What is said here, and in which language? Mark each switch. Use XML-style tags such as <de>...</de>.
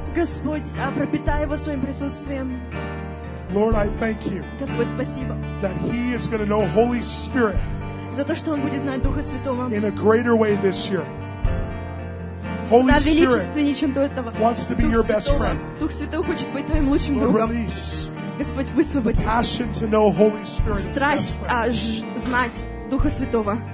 <ru>Господь, пропитай его своим присутствием.</ru> <en>Lord, I thank you.</en> <ru>Господь, спасибо.</ru> <en>That he is going to know Holy Spirit.</en> <ru>За то, что он будет знать Духа Святого.</ru> <en>In a greater way this year. Holy</en> <ru>да,</ru> <en>Spirit.</en> <ru>Да, величественнее, чем до этого.</ru> <en>Wants to be</en> <ru>Дух</ru> <en>your</en> <ru>Святого.</ru> <en>Best friend.</en> <ru>Дух Святой хочет быть твоим лучшим</ru> <en>Lord,</en> <ru>другом.</ru> <en>Release.</en> <ru>Господь, высвободи.</ru> <en>Passion to know Holy Spirit.</en> <ru>Страсть знать Духа Святого.</ru>